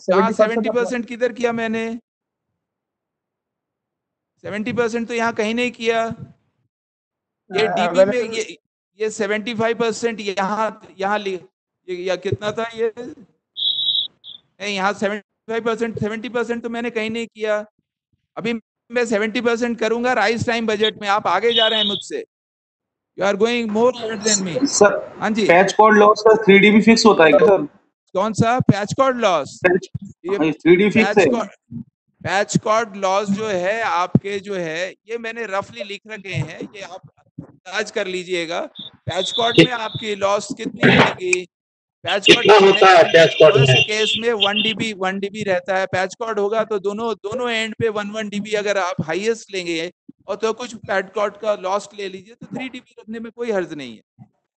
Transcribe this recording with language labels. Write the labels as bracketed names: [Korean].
[Hindi] 70% किधर किया मैंने, 70% तो यहाँ कहीं नहीं किया, ये dB में, ये 75% यहाँ या कितना था, ये नहीं, यहाँ 70% तो मैंने कहीं नहीं किया, अभी मैं 70% करूंगा राइज टाइम बजट में, आप आगे जा रहे हैं मुझसे, [English] You are going more than me. [Hindi] Sir, हाँ जी, patch cord loss का 3 dB fix होता है क्या सर? कौन सा patch cord loss? Patch cord loss जो है आपके जो है, ये मैंने roughly लिख रखे हैं, ये आप अंदाज कर लीजिएगा, patch cord में आपकी loss कितनी रहेगी? Patch cord कितना होता है patch cord में? इस केस में 1 dB रहता है, patch cord होगा तो दोनों एंड पे 1 dB अगर आप highest लेंगे और तो कुछ पैड कॉट का लॉस्ट ले लीजिए तो 3 dB रखने में कोई हर्ज नहीं है